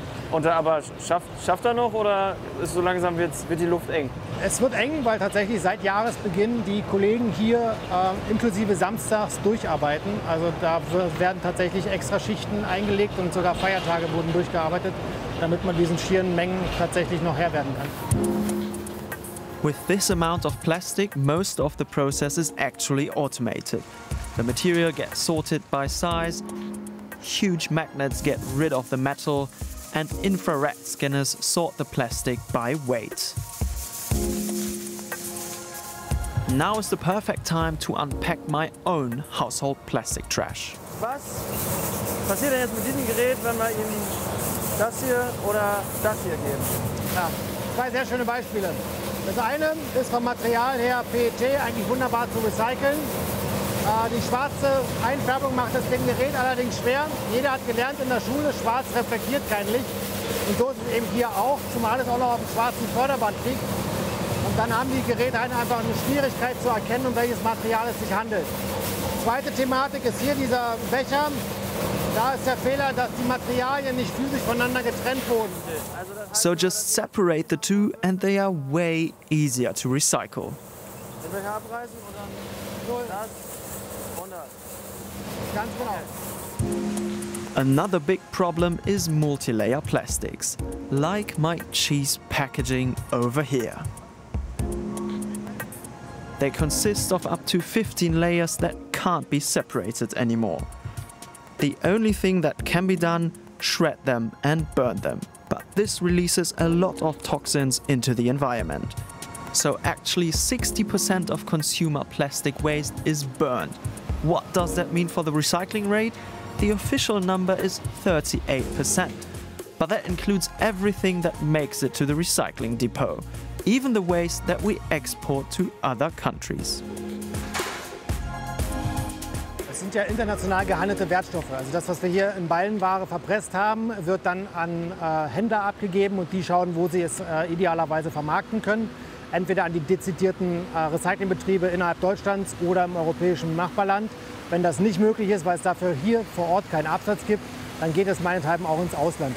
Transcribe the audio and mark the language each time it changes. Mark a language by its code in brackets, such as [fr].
[de] Und aber schafft er noch oder ist so langsam wird die Luft eng? Es wird eng, weil tatsächlich seit Jahresbeginn die Kollegen hier inklusive samstags durcharbeiten. Also da werden tatsächlich extra Schichten eingelegt und sogar Feiertage wurden durchgearbeitet, damit man diesen schieren Mengen tatsächlich noch Herr werden kann. [en] With this amount of plastic, most of the process is actually automated. The material gets sorted by size, huge magnets get rid of the metal, and infrared scanners sort the plastic by weight. Now is the perfect time to unpack my own household plastic trash. [de] Was? passiert denn jetzt mit diesem Gerät, wenn wir ihm das hier oder das hier geben? Ja, zwei sehr schöne Beispiele. Das eine ist vom Material her PET, eigentlich wunderbar zu recyceln. Die schwarze Einfärbung macht das dem Gerät allerdings schwer. Jeder hat gelernt in der Schule, schwarz reflektiert kein Licht. Und so ist es eben hier auch, zumal es auch noch auf dem schwarzen Förderband liegt. Und dann haben die Geräte halt einfach eine Schwierigkeit zu erkennen, um welches Material es sich handelt. Zweite Thematik ist hier dieser Becher. Da ist der Fehler, dass die Materialien nicht physisch voneinander getrennt wurden. Also das heißt, [en] so just separate the two and they are way easier to recycle. [de] Den Becher abreißen und dann das und das. Ganz genau. [en] Another big problem is multi-layer plastics, like my cheese packaging over here. They consist of up to 15 layers that can't be separated anymore. The only thing that can be done, shred them and burn them. But this releases a lot of toxins into the environment. So actually 60% of consumer plastic waste is burned. What does that mean for the recycling rate? The official number is 38%, but that includes everything that makes it to the recycling depot, even the waste that we export to other countries. [de] Es sind ja international gehandelte Wertstoffe. Also das, was wir hier in Ballenware verpresst haben, wird dann an Händler abgegeben und die schauen, wo sie es idealerweise vermarkten können. Entweder an die dezidierten Recyclingbetriebe innerhalb Deutschlands oder im europäischen Nachbarland. Wenn das nicht möglich ist, weil es dafür hier vor Ort keinen Absatz gibt, dann geht es meinethalben auch ins Ausland.